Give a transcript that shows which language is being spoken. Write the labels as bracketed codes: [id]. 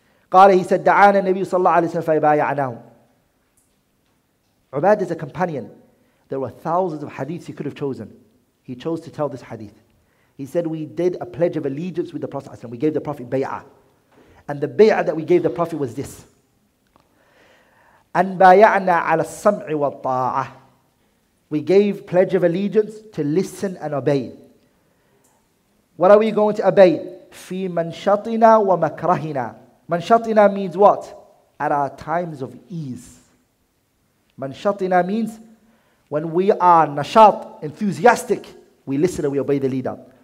[ar] قال, [en] he said, [ar] دعانا النبي صلى الله عليه وسلم فبايعناه. [en] Ubad is a companion. There were thousands of hadiths he could have chosen. He chose to tell this hadith. He said, we did a pledge of allegiance with the Prophet. We gave the Prophet bay'ah. And the bay'ah that we gave the Prophet was this. [ar] أن بايعنا على السمع والطاعة. [en] We gave pledge of allegiance to listen and obey. What are we going to obey? [ar] فِي مَنْشَطِنَا وَمَكْرَهِنَا. [en] مَنْشَطِنَا means what? At our times of ease. مَنْشَطِنَا means when we are nashat, enthusiastic, we listen and we obey the leader.